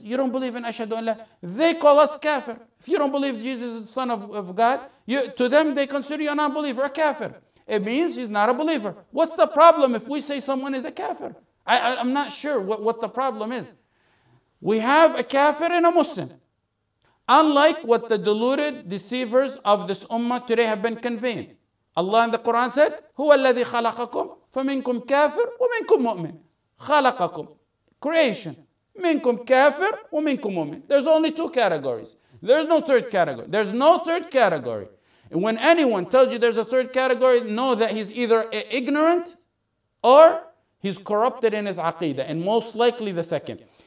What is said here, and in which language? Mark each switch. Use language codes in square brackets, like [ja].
[en] You don't believe in [ar] ashadu an la, [en] they call us kafir. If you don't believe Jesus is the son of God, you, to them, they consider you an unbeliever, a kafir. It means he's not a believer. What's the problem if we say someone is a kafir? I'm not sure what the problem is. We have a kafir and a Muslim. Unlike what the deluded deceivers of this ummah today have been conveying. [ar] Allah in the Quran said, هُوَ الَّذِي خَلَقَكُمْ فَمِنْكُمْ كَافِرٌ وَمِنْكُمْ مُؤْمِنٌ. خَلَقَكُمْ. [en] Creation. [ar] مِنْكُمْ كَافِرٌ وَمِنْكُمْ مُؤْمِنٌ. [en] There's only two categories. There's no third category. There's no third category. And when anyone tells you there's a third category, know that he's either ignorant or he's corrupted in his aqidah, and most likely the second.